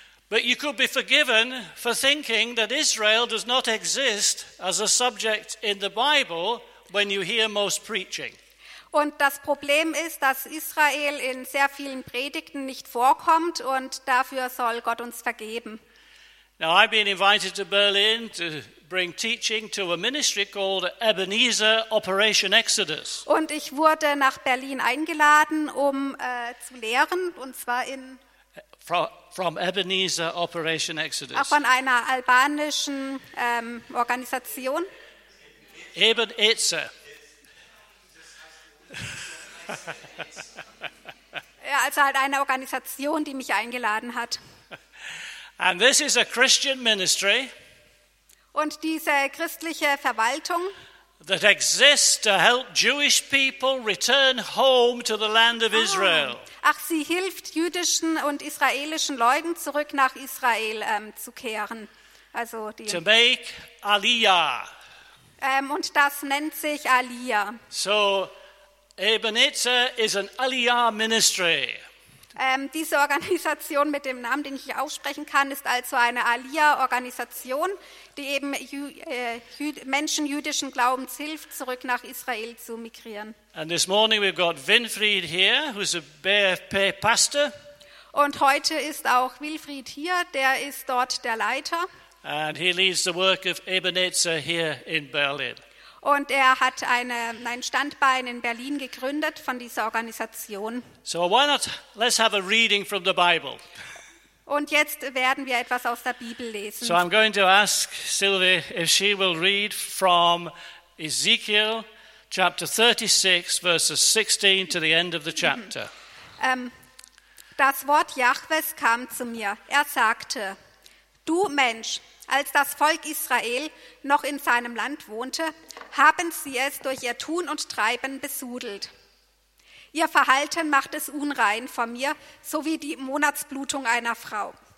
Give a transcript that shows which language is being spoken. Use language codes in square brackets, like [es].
[en] But you could be forgiven for thinking that Israel does not exist as a subject in the Bible when you hear most preaching. [de] Und das Problem ist, dass Israel in sehr vielen Predigten nicht vorkommt und dafür soll Gott uns vergeben. [en] Now I've been invited to Berlin to bring teaching to a ministry called Ebenezer Operation Exodus. [de] Und ich wurde nach Berlin eingeladen, um zu lehren, und zwar in [en] from Ebenezer Operation Exodus. [de] Auch von einer albanischen Organisation. [en] Ebenezer. [de] Ja, also halt eine Organisation, die mich eingeladen hat. [en] And this is a Christian ministry. [de] Und diese christliche Verwaltung. [en] That exists to help Jewish people return home to the land of Israel. [de] Ach, sie hilft jüdischen und israelischen Leuten zurück nach Israel zu kehren. Also die. [en] To make Aliyah. [de] Und das nennt sich Aliyah. [en] So, Ebenezer is an Aliyah ministry. [de] Diese Organisation mit dem Namen, den ich aussprechen kann, ist also eine Aliyah-Organisation, die eben Menschen jüdischen Glaubens hilft, zurück nach Israel zu migrieren. [en] And this morning we've got Winfried here, who's a BFP pastor. [de] Und heute ist auch Winfried hier, der ist dort der Leiter. [en] And he leads the work of Ebenezer here in Berlin. [de] Und er hat ein Standbein in Berlin gegründet von dieser Organisation. [en] So why not, let's have a reading from the Bible. [de] Und jetzt werden wir etwas aus der Bibel lesen. [en] So I'm going to ask Sylvie if she will read from Ezekiel chapter 36 verses 16 to the end of the chapter. [de] Das Wort Jahwes kam zu mir. Er sagte: Du Mensch, als das Volk Israel noch in seinem Land wohnte, haben sie es durch ihr Tun und Treiben besudelt. Ihr Verhalten macht es unrein vor mir, so wie die Monatsblutung einer Frau.